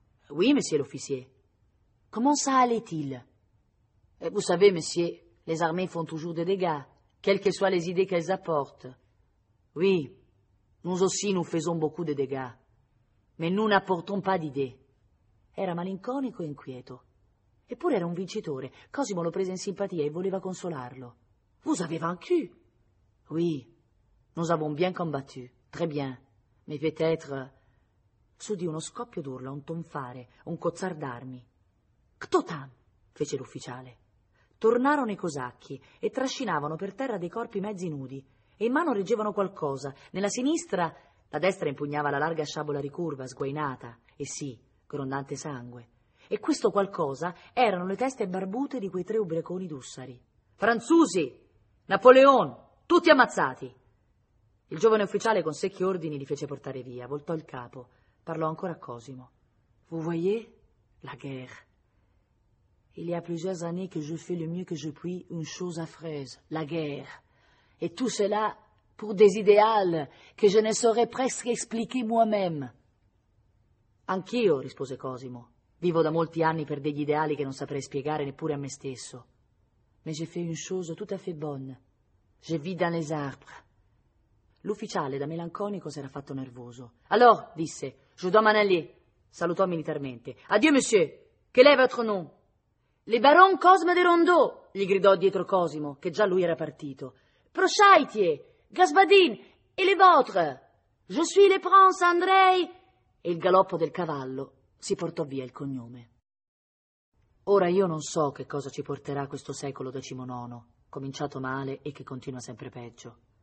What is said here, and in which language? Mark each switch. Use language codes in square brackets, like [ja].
[fr] Oui, monsieur l'officier. Comment ça allait-il? Et vous savez, monsieur, les armées font toujours des dégâts, quelles que soient les idées qu'elles apportent. Oui, nous aussi nous faisons beaucoup de dégâts. Mais nous n'apportons pas d'idées. [it] Era malinconico e inquieto. Eppure era un vincitore. Cosimo lo prese in simpatia e voleva consolarlo. [fr] Vous avez vaincu? Oui, nous avons bien combattu, très bien. Mais peut-être... [it] S'udì uno scoppio d'urla, un tonfare, un cozzar d'armi. [ru] «Kto tam?» [it] fece l'ufficiale. Tornarono i cosacchi e trascinavano per terra dei corpi mezzi nudi e in mano reggevano qualcosa. Nella sinistra, la destra impugnava la larga sciabola ricurva, sguainata, e sì, grondante sangue. E questo qualcosa erano le teste barbute di quei tre ubriaconi d'ussari. [ru] «Franzusi! [it] Napoleon! Tutti ammazzati!» Il giovane ufficiale con secchi ordini li fece portare via, voltò il capo, parlò ancora a Cosimo. [fr] «Vous voyez la guerre? Il y a plusieurs années que je fais le mieux que je puis une chose affreuse, la guerre. Et tout cela pour des idéaux que je ne saurais presque expliquer moi-même.» [it] «Anch'io», rispose Cosimo, «vivo da molti anni per degli ideali che non saprei spiegare neppure a me stesso. [fr] Mais j'ai fait une chose tout à fait bonne. Je vis dans les arbres.» [it] L'ufficiale, da melanconico, s'era fatto nervoso. «Allora», disse, [fr] «je dois m'en aller», [it] salutò militarmente. [fr] «Adieu, monsieur, quel est votre nom?» «Le baron Cosme de Rondeau», [it] gli gridò dietro Cosimo, che già lui era partito. [ru] «Prochaitie, Gaspadine, [fr] et le vôtre? Je suis le prince André!» [it] E il galoppo del cavallo si portò via il cognome. Ora io non so che cosa ci porterà questo secolo XIX, cominciato male e che continua sempre peggio.